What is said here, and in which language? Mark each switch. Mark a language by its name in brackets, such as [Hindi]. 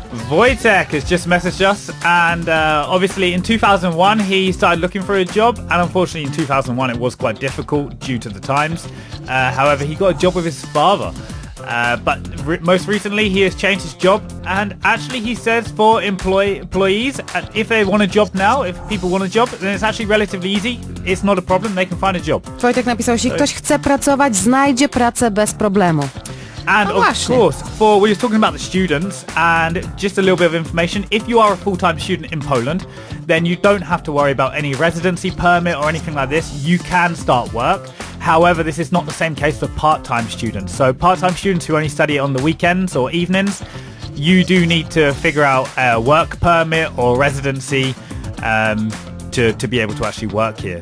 [English] Wojtek has just messaged us, and obviously in 2001 he started looking for a job, and unfortunately in 2001 it was quite difficult due to the times. However, he got a job with his father. But most recently he has changed his job, and actually he says for employees, if they want a job now, if people want a job, then it's actually relatively easy. It's not a problem, they can find a job. [Polish] Wojtek napisał, jeśli ktoś chce pracować, znajdzie pracę bez problemu. [English] And of course, for we were talking about the students, and just a little bit of information, if you are a full-time student in Poland, then you don't have to worry about any residency permit or anything like this. You can start work. However, this is not the same case for part-time students. So part-time students who only study on the weekends or evenings, you do need to figure out a work permit or residency to be able to actually work here.